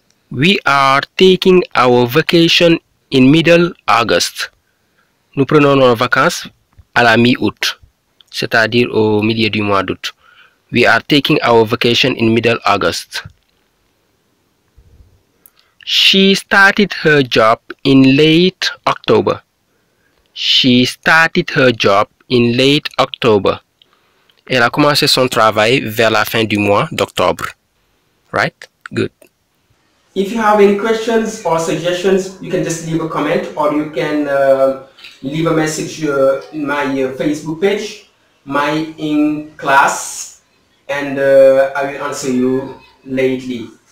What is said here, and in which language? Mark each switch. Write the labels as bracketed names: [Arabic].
[English] We are taking our vacation in middle August. [French] Nous prenons nos vacances à la mi-août, c'est-à-dire au milieu du mois d'août. [English] We are taking our vacation in middle August. She started her job in late October. She started her job in late October. [French] Elle a commencé son travail vers la fin du mois d'octobre. [English] Right? Good. If you have any questions or suggestions, you can just leave a comment or you can leave a message in my Facebook page, my in class, and I will answer you lately.